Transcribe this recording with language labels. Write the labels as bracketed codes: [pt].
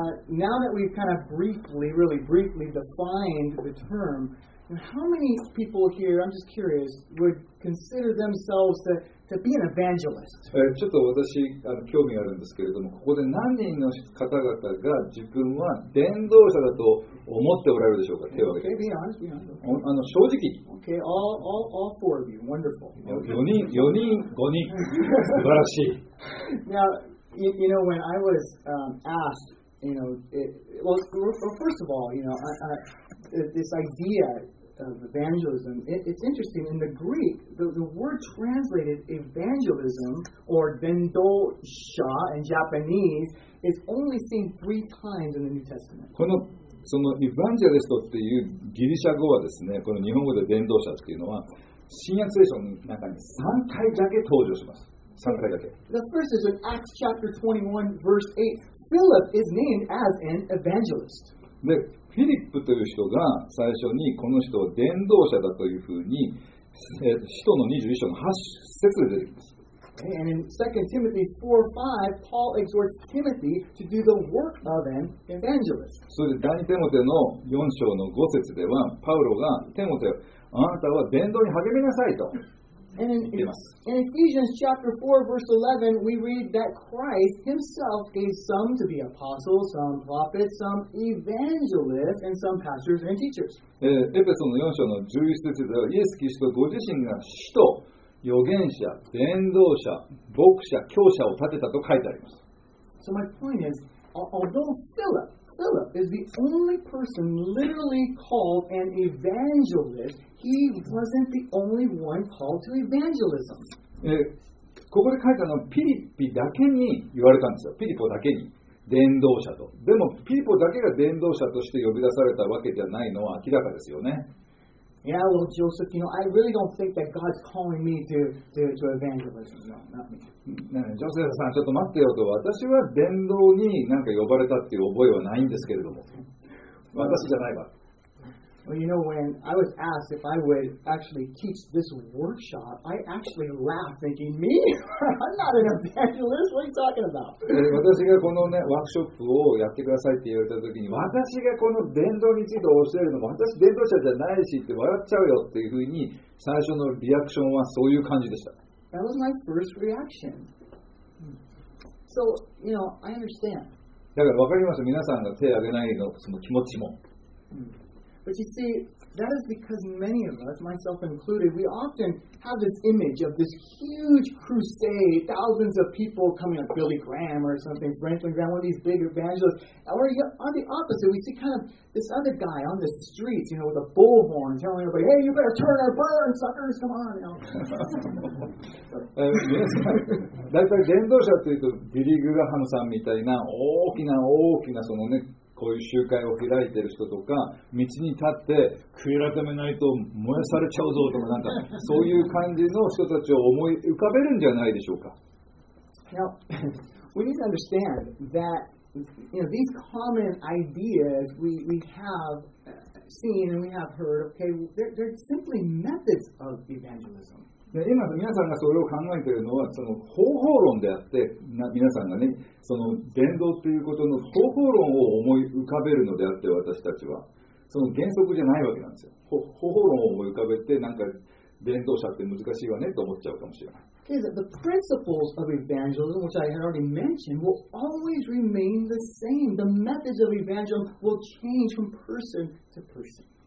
[en] Now that we've kind of really briefly defined the term, how many people here, I'm just curious, would consider themselves to be an evangelist? [ja] ちょっと私興味あるんですけれども、ここで何人の方々が自分は伝道者だと思っておられるでしょうか？手を挙げて。 [en] Okay, be honest. [ja] 正直に。 [en] Okay, all four of you. Wonderful. [ja] 4人、5人。素晴らしい。 [en] Now,You know, when I was asked, you know, first of all, you know, this idea of evangelism, it's interesting. In the Greek, the word translated evangelism or dendosha in Japanese is only seen three times in the New Testament. [ja] このそのイヴァンジェリストっていうギリシャ語はですね、この日本語で伝道者っていうのは新約聖書の中に3回だけ登場します。 3回だけ。 [en] The first is in Acts chapter 21 verse 8. Philip is named as an evangelist. [ja] で、フィリップという人が最初にこの人を伝道者だというふうに使徒の21章の8節で出てきます。 [en] And in 2 Timothy 4:5, Paul exhorts Timothy to do the work of an evangelist. [ja] それで第2テモテの4章の5節では、パウロがテモテ、あなたは伝道に励みなさいと言っています。 [en] In Ephesians chapter 4, verse 11, we read that Christ himself gave some to be apostles, some prophets, some evangelists, and some pastors and teachers. [ja] エペソの4章の11節では、イエス・キリストご自身が使徒、預言者、伝道者、牧者、教者を立てたと書いてあります。 [en] So my point is, although Philip is the only person literally called an evangelist, he wasn't the only one called to evangelism. [ja] ここで書いたのはピリピだけに言われたんですよ。ピリポだけに伝道者と。でもピリポだけが伝道者として呼び出されたわけじゃないのは明らかですよね。 [en] Yeah, well, Joseph, you know, I really don't think that God's calling me to evangelism. No, not me. [ja] Joseph, さん、ちょっと待ってよと、私は伝道に何か呼ばれたっていう覚えはないんですけれども、私じゃないわ。 [en] Well, you know, when I was asked if I would actually teach this workshop, I actually laughed, thinking, "Me? I'm not an evangelist. What are you talking about?" [ja] 私がこのねワークショップをやってくださいって言われた時に、私がこの伝道について教えるのも私伝道者じゃないしって笑っちゃうよっていうふうに最初のリアクションはそういう感じでした。 [en] That was my first reaction. So, you know, I understand. [ja] だからわかります。皆さんが手を挙げないのその気持ちも。 [en] But you see, that is because many of us, myself included, we often have this image of this huge crusade, thousands of people coming up, Billy Graham or something, Franklin Graham, one of these big evangelists. Or on the opposite, we see kind of this other guy on the streets, you know, with a bullhorn telling everybody, hey, you better turn and burn, suckers, come on. You [ja] know. 皆さん、だいたい伝道者というと、ビリー・グラハムさんみたいな大きな大きなそのね、こういう集会を開いてる人とか、道に立って食い改めないと燃やされちゃうぞとか、なんかそういう感じの人たちを思い浮かべるんじゃないでしょうか。 [en] Now, we need to understand that, you know, these common ideas we have seen and we have heard, okay, they're simply methods of evangelism. [ja] で今皆さんがそれを考えているのはその方法論であって、皆さんがね、その伝道ということの方法論を思い浮かべるのであって、私たちは。その原則じゃないわけなんですよ。方法論を思い浮かべて、なんか伝道者って難しいわねと思っちゃうかもしれない。 [en] Okay, the principles of evangelism, which I had already mentioned, will always remain the same. The methods of evangelism will change from person to person.